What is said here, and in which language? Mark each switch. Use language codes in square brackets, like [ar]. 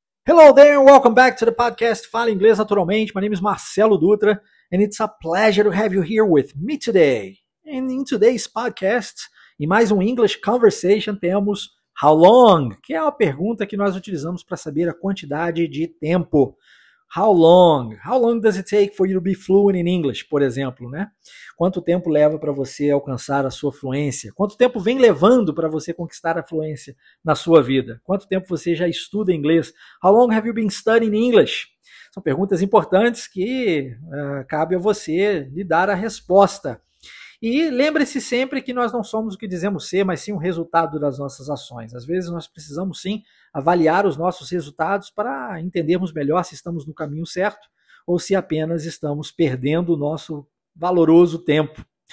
[en] Hello there, and welcome back to the podcast Fala Inglês Naturalmente. My name is Marcelo Dutra, and it's a pleasure to have you here with me today. And in today's podcast, [pt] em mais [en] English Conversation, [pt] temos [en] How Long? [pt] Que é a pergunta que nós utilizamos para saber a quantidade de tempo. [en] How long? How long does it take for you to be fluent in English, [pt] por exemplo, né? Quanto tempo leva para você alcançar a sua fluência? Quanto tempo vem levando para você conquistar a fluência na sua vida? Quanto tempo você já estuda inglês? [en] How long have you been studying English? [pt] São perguntas importantes que cabe a você lhe dar a resposta. E lembre-se sempre que nós não somos o que dizemos ser, mas sim o resultado das nossas ações. Às vezes nós precisamos sim avaliar os nossos resultados para entendermos melhor se estamos no caminho certo ou se apenas estamos perdendo o nosso valoroso tempo.